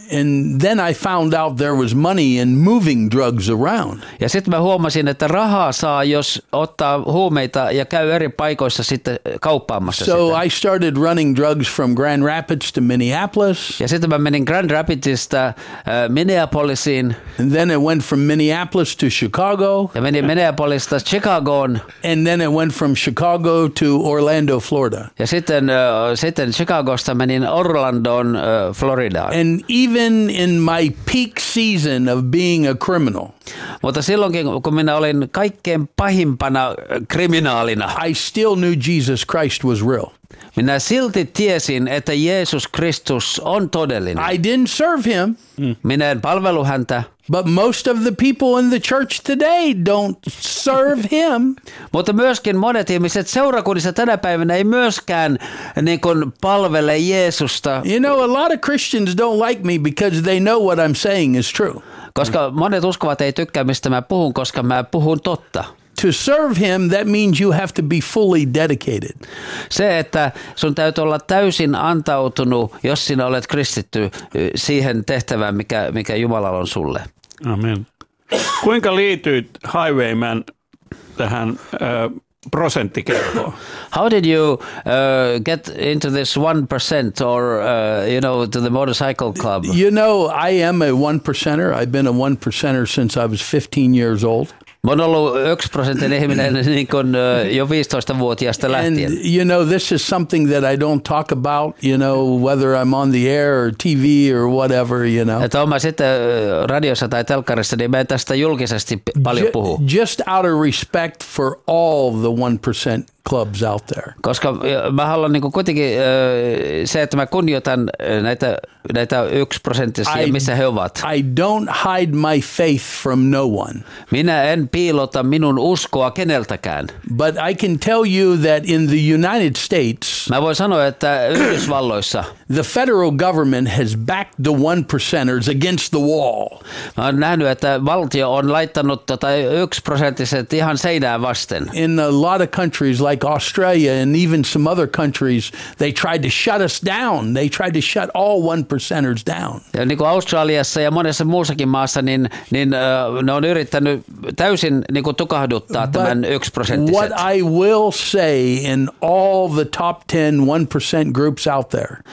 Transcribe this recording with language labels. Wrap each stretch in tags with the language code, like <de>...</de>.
<en>And then I found out there was money in moving drugs around.</en> <fi>Ja sitten mä huomasin, että rahaa saa, jos ottaa huumeita ja käy eri paikoissa sitten kauppaamassa.</fi> <en>So I started running drugs from Grand Rapids to Minneapolis.</en> <fi>Ja sitten mä menin menin Grand Rapidsista Minneapolisiin.</fi> <en>And then it went from Minneapolis to Chicago.</en> <fi>Ja menin Minneapolisista Chicagoon.</fi> <en>And then it went from Chicago to Orlando, Florida.</en> <fi>Ja sitten, sitten Chicagosta menin Orlandoon, Floridaan.</fi> <en>And even in my peak season of being a criminal.</en> <fi>Mutta silloinkin, kun minä olin kaikkein pahimpana kriminaalina.</fi> <en>I still knew Jesus Christ was real.</en> <fi>Minä silti tiesin, että Jeesus Kristus on todellinen.</fi> <en>I didn't serve him.</en> <fi>Minä en palvelu häntä.</fi> <en>But most of the people in the church today don't serve him.</en> <fi>Mutta myöskin monet ihmiset seurakunnissa tänä päivänä ei myöskään niin kuin palvele Jeesusta.</fi> <en>You know, a lot of Christians don't like me because they know what I'm saying is true.</en> <fi>Koska monet uskovat ei tykkää, mistä mä puhun, koska mä puhun totta.</fi> <en>To serve him, that means you have to be fully dedicated.</en> <fi>Se, että sun täytyy olla täysin antautunut, jos sinä olet kristitty siihen tehtävään, mikä, mikä Jumala on sulle. Amen. Kuinka liityit Highwayman tähän prosenttikerhoon?</fi> <en>How did you get into this 1% or, you know, to the motorcycle club? You know, I am a 1%er. I've been a 1%er since I was 15 years old.</en> <fi>Mä oon ollut 1% ihminen niin kuin jo 15-vuotiaasta lähtien.</fi> <en>And, you know, this is something that I don't talk about, you know, whether I'm on the air or TV or whatever, you know.</en> <fi>Että oon mä sitten radiossa tai telkkarissa, niin mä en tästä julkisesti paljon puhu.</fi> <en>Just out of respect for all the 1% clubs out there.</en> <fi>Koska mä haluan niin kuin kuitenkin se, että mä kunnioitan näitä, näitä 1%, missä he ovat.</fi> <en>I don't hide my faith from no one.</en> <fi>Minä en piilota minun uskoa keneltäkään.</fi> <en>But I can tell you that in the United States,</en> <fi>mä voin sanoa, että Yhdysvalloissa,</fi> <en>the federal government has backed the 1%ers against the wall.</en> <fi>Mä oon nähnyt, että valtio on laittanut tota 1%iset ihan seinään vasten.</fi> <en>In a lot of countries like Australia and even some other countries, they tried to shut us down. They tried to shut all 1%ers down.</en> <fi>Ja niin kuin Australiassa ja monessa muussakin maassa, niin, niin ne on yrittänyt täysin niin kuin tukahduttaa</fi> <en>But</en> <fi>tämän 1%iset.</fi> <en>What I will say in all the top 10 1% groups out there.</en>